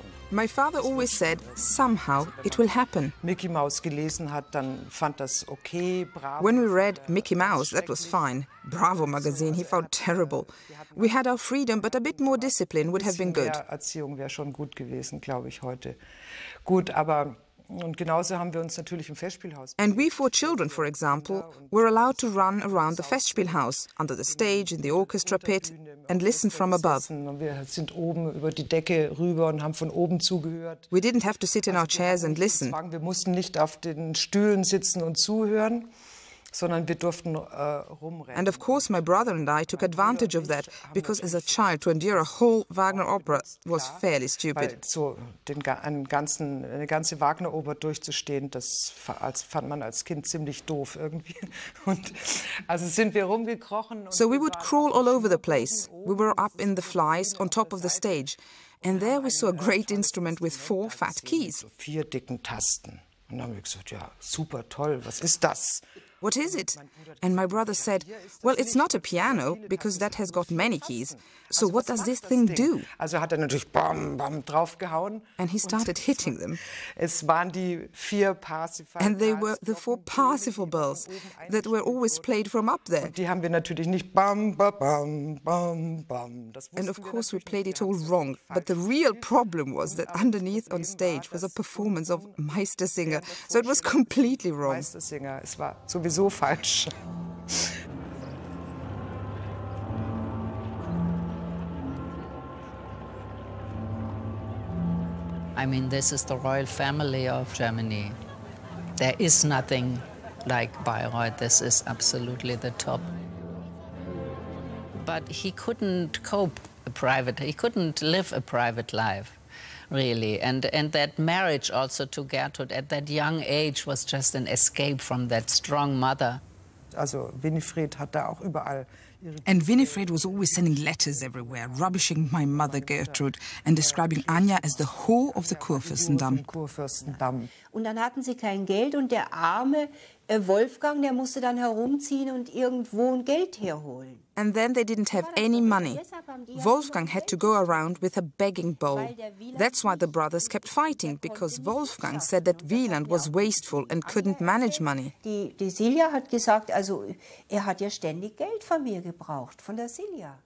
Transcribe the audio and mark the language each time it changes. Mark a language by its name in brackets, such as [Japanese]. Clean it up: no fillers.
[English] My father always said, somehow it will happen. [German] Mickey Mouse gelesen hat, dann fand das okay. Bravo. [English] When we read Mickey Mouse, that was fine. Bravo magazine, he found terrible. We had our freedom, but a bit more discipline would have been good. [German] Erziehung wäre schon gut gewesen, glaube ich, heute. Gut, aber. [English] And we four children, for example, were allowed to run around the Festspielhaus, under the stage, in the orchestra pit, and listen from above. We didn't have to sit in our chairs and listen. [German] sondern wir durften rumrennen. [English] And of course my brother and I took advantage of that, because as a child to endure a whole Wagner opera was fairly stupid. [German] So den eine ganze Wagner Oper durchzustehen, das fand man als Kind ziemlich doof irgendwie. Und also sind wir rumgekrochen. [English] So we would crawl all over the place. We were up in the flies on top of the stage. And there we saw a great instrument with four fat keys. [German] So vier dicken Tasten. Und dann haben wir gesagt, ja, super toll, was ist das? [English] What is it? And my brother said, well, it's not a piano, because that has got many keys. So what does this thing do? [German] Also hat natürlich bam, bam draufgehauen. [English] And he started hitting them. [German] Es waren die vier Parsifal. [English] And they were the four Parsifal bells that were always played from up there. [German] Die haben wir natürlich nicht bam, bam, bam, bam. [English] And of course we played it all wrong. But the real problem was that underneath on stage was a performance of Meistersinger. So it was completely wrong. [German] Meistersinger, es war sowieso falsch. [English] I mean, this is the royal family of Germany. There is nothing like Bayreuth. This is absolutely the top. But he couldn't cope a private, he couldn't live a private life. Really, and that marriage also to Gertrud at that young age was just an escape from that strong mother. [German] Also Winifred hat da auch überall. [English] And Winifred was always sending letters everywhere, rubbishing my mother Gertrud and describing Anya as the whore of the Kurfürstendamm. [German] Und dann hatten sie kein Geld und der arme Wolfgang, der musste dann herumziehen und irgendwo ein Geld herholen. [English] And then they didn't have any money. Wolfgang had to go around with a begging bowl. That's why the brothers kept fighting, because Wolfgang said that Wieland was wasteful and couldn't manage money. [German] Die Silja hat gesagt, also er hat ja ständig Geld von mir gebraucht, von der Silja.